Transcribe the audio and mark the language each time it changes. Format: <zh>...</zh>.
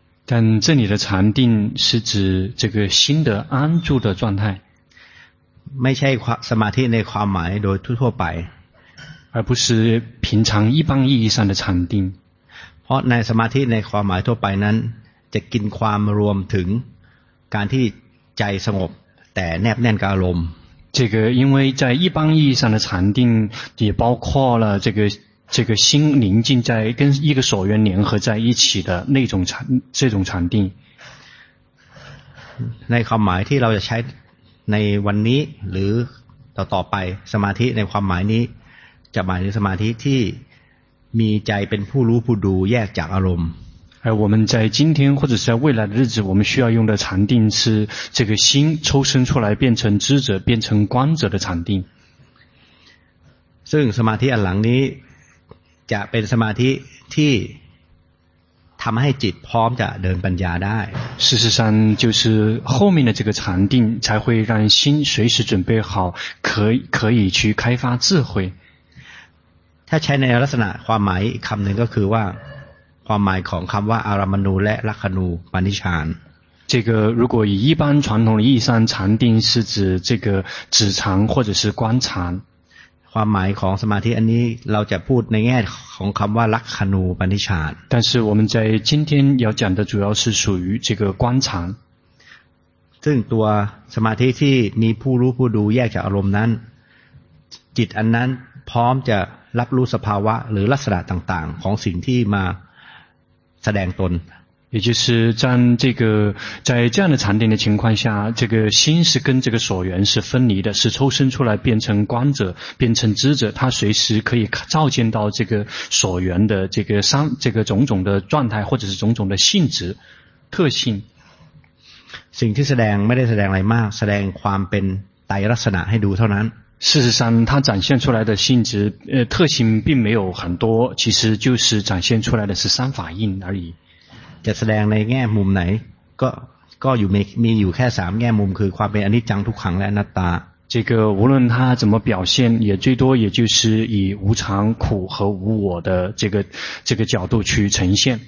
<zh>但这里的禅定是指这个心的安住的状态</zh> <th>ไม่ใช่สมาธิในความหมายโดยทั่วไป</th> <zh>而不是平常一般意义上的禅定</zh> <th>เพราะในสมาธิในความหมายทั่วไปนั้นจะกินความรวมถึงการที่ใจสงบแต่แนบแน่นกับอารมณ์</th> <zh>这个因为在一般意义上的禅定也包括了这个心宁静在跟一个所缘联合在一起的那种禅这种禅定</zh> <th>ในความหมายที่เราจะใช้ในวันนี้หรือต่อไปสมาธิในความหมายนี้จะหมายถึงสมาธิที่มีใจเป็นผู้รู้ผู้ดูแยกจากอารมณ์</th> <zh>而我们在今天或者是在未来的日子我们需要用的禅定是这个心抽身出来变成知者变成观者的禅定</zh> <th>ซึ่งสมาธิอันหลังนี้จะเป็นสมาธิที่ท ทำให้จิตพร้อมจะเดินปัญญาได้</th> <zh>事实上就是后面的这个禅定才会让心随时准备好可以去开发智慧</zh> <th>ถ้าใช้ในลักษณะความหมายคำหนึ่งก็คือว่าความหมายของคำว่าอารัมมณูและลัคนูปานิชฌาน</th> <zh>这个如果以一般传统的意义上禅定是指这个止禅或者是观禅</zh> <th>ความหมายของสมาธิอันนี้เราจะพูดในแง่ของคำว่าลัคคนูปนิชฌาน</th> <zh>但是我们在今天要讲的主要是属于这个观禅</zh> <th>ซึ่งตัวสมาธิที่มีผู้รู้ผู้ดูแยกจากอารมณ์นั้นจิตอันนั้นพร้อมจะรับรู้สภาวะหรือลักษณะต่างๆของสิ่งที่มาแสดงตน</th> <zh>也就是在这个在这样的禅定的情况下，这个心是跟这个所缘是分离的，是抽身出来变成观者，变成知者，他随时可以照见到这个所缘的这个三这个种种的状态或者是种种的性质特性。</zh> <th>สิ่งที่แสดงไม่ได้แสดงอะไรมากแสดงความเป็นไตรลักษณะให้ดูเท่านั้น</th> <zh>事实上它展现出来的性质特性并没有很多，其实就是展现出来的是三法印而已。</zh> <th>จะแสดงในแง่มุมไหนก็อยู่มีอยู่แค่3แง่มุมคือความเป็นอนิจจังทุกขังและอนัตตา</th> <zh>这个无论他怎么表现也最多也就是以无常苦和无我的这个角度去呈现</zh>